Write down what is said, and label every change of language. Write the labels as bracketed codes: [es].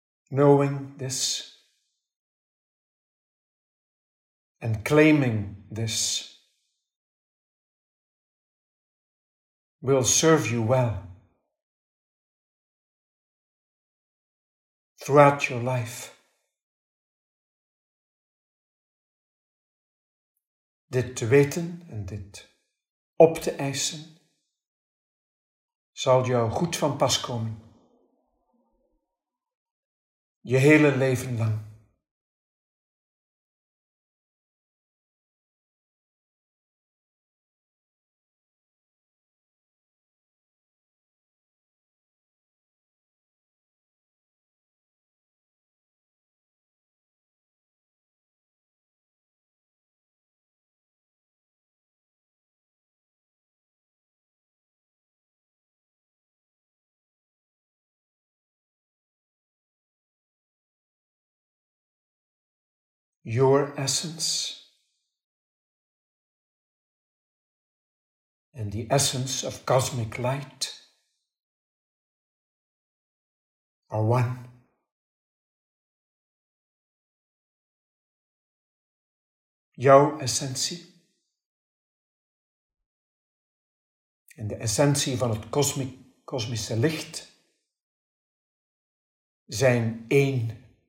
[en] Knowing this and claiming this will serve you well throughout your life. [nl] Dit te weten en dit op te eisen zal jou goed van pas komen. Je hele leven lang. [en] Your essence and the essence of cosmic light are one. [nl] Jouw essentie en de essentie van het kosmische licht zijn één.